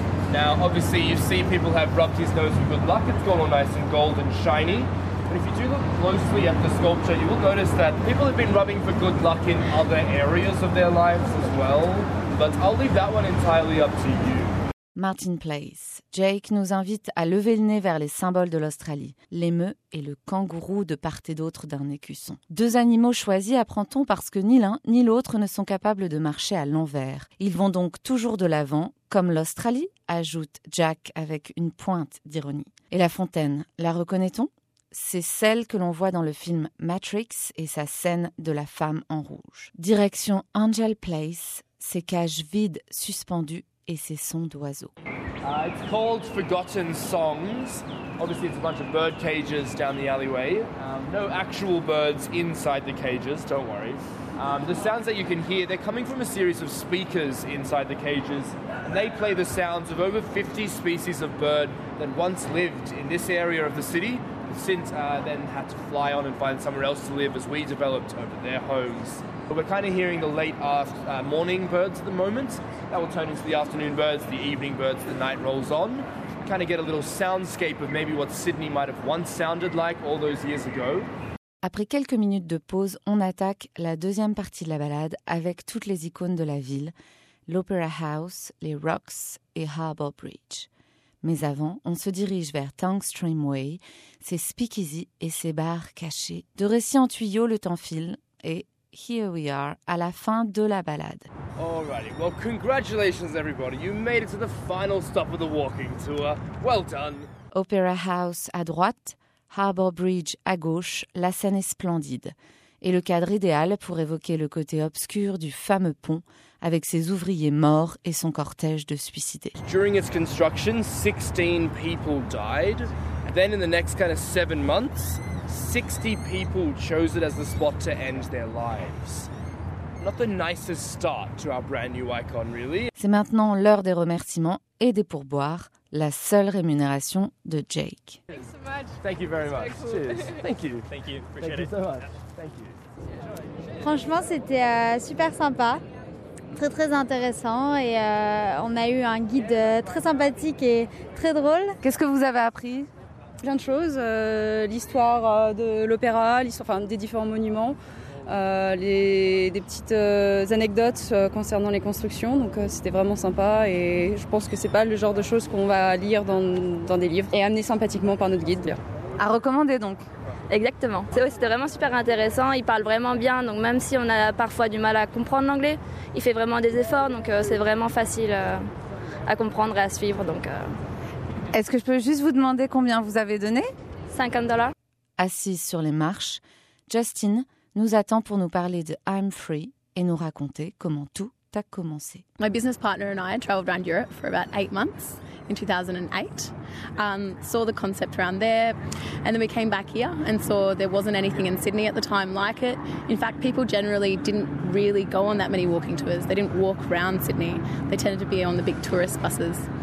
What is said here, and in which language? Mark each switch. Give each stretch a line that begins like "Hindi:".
English: Now, obviously, you see people have rubbed his nose for good luck. It's got all nice and gold and shiny. But if you do look closely at the sculpture, you will notice that people have been rubbing for good luck in other areas of their lives as well. But I'll leave that one entirely up to you. Martin Place.
French: Jake nous invite à lever le nez vers les symboles de l'Australie, l'émeu et le kangourou de part et d'autre d'un écusson. Deux animaux choisis, apprend-on, parce que ni l'un ni l'autre ne sont capables de marcher à l'envers. Ils vont donc toujours de l'avant, comme l'Australie, ajoute Jack avec une pointe d'ironie. Et la fontaine, la reconnaît-on? C'est celle que l'on voit dans le film Matrix et sa scène de la femme en rouge. Direction Angel Place, ses cages vides suspendues et ses sons d'oiseaux.
English: It's called Forgotten Songs. Obviously, it's a bunch of bird cages down the alleyway. No actual birds inside the cages, don't worry. The sounds that you can hear, they're coming from a series of speakers inside the cages. And they play the sounds of over 50 species of bird that once lived in this area of the city, since then had to fly on and find somewhere else to live as we developed over their homes. But we're kind of hearing the late morning birds at the moment. That will turn into the afternoon birds, the evening birds, the night rolls on. Kind of get a little soundscape of maybe what Sydney might have once sounded like all those years ago.
French: Après quelques minutes de pause, on attaque la deuxième partie de la balade avec toutes les icônes de la ville, l'Opera House, les Rocks et Harbour Bridge. Mais avant, on se dirige vers Tongue Stream Way, ses speakeasy et ses bars cachés. De récits en tuyaux, le temps file et...
English: Here we are,
French: à la fin de la balade.
English: Alrighty, well, congratulations everybody. You made it to the final stop of the walking tour. Well done.
French: Opera House à droite, Harbour Bridge à gauche, la scène est splendide. Et le cadre idéal pour évoquer le côté obscur du fameux pont avec ses ouvriers morts et son cortège de suicidés.
English: During its construction, 16 people died. Then in the next kind of 7 months, 60 people chose it as the spot to end their lives. Not the nicest start to our brand new icon, really.
French: C'est maintenant l'heure des remerciements et des pourboires, la seule rémunération de Jake.
English: Thanks so much. Thank you very much. Cool. Cheers. Thank you. Thank you. Thank you so much. Thank you.
French: Franchement, c'était super sympa. Très très intéressant et on a eu un guide très sympathique et très drôle. Qu'est-ce que vous avez appris ? Plein de choses, l'histoire de l'opéra, l'histoire, enfin, des différents monuments, des petites anecdotes concernant les constructions, donc c'était vraiment sympa et je pense que c'est pas le genre de choses qu'on va lire dans des livres et amené sympathiquement par notre guide. À recommander donc. Exactement. C'est, ouais, c'était vraiment super intéressant, il parle vraiment bien, donc même si on a parfois du mal à comprendre l'anglais, il fait vraiment des efforts, donc c'est vraiment facile à comprendre et à suivre, donc... Est-ce que je peux juste vous demander combien vous avez donné ? $50. Assis sur les marches, Justin nous attend pour nous parler de I'm Free et nous raconter comment tout a commencé.
English: My business partner and I traveled around Europe for about 8 months in 2008. Saw the concept around there and then we came back here and saw there wasn't anything in Sydney at the time like it. In fact, people generally didn't really go on that many walking tours. They didn't walk around Sydney. They tended to be on the big tourist buses.